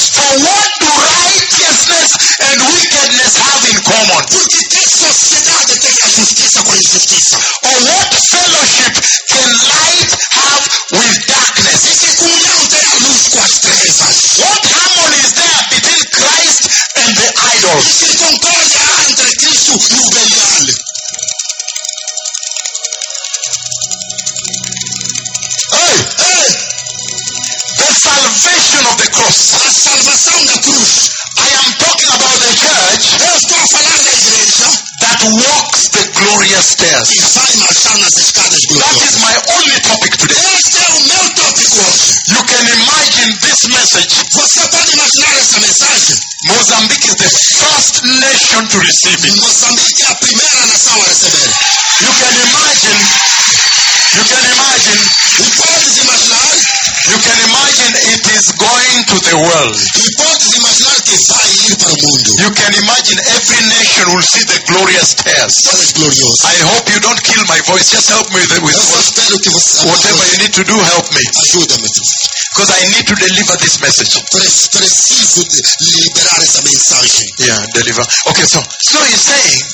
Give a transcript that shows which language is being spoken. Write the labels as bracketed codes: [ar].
[en] For what do righteousness and wickedness have in common? [pt] Porque tem sociedade, tem a justiça com a injustiça. [en] Or what fellowship can light have with darkness? [pt] E que comunhão tem a luz com as trevas? [en] What harmony is there between Christ and the idol? [pt] E que concorda entre Cristo e o Belial? [en] The salvation of the cross. [pt] A salvação da cruz. [en] I am talking about the church. [pt] Eu estou a falar da igreja. [en] That walks the glorious stairs. [pt] E vai marchar nas escadas gloriosas. [en] That is my only topic today. [pt] Este é o meu tópico hoje. [en] You can imagine this message. [pt] Você pode imaginar essa mensagem. [en] Mozambique is the first nation to receive it. [pt] Mozambique é a primeira nação a receber. [en] You can imagine. You can imagine. [pt] E pode imaginar. [en] You can imagine it is going to the world. [pt] E pode imaginar que vai ir para o mundo. [en] You can imagine every nation will see the glorious stairs. [pt] Tão glorioso. [en] I hope you don't kill my voice. Just help me with whatever you need to do. Help me. [pt] Ajuda-me. [en] Because I need to deliver this message. [pt] Preciso de liberar essa mensagem. [en] Yeah, deliver. Okay, so he's saying.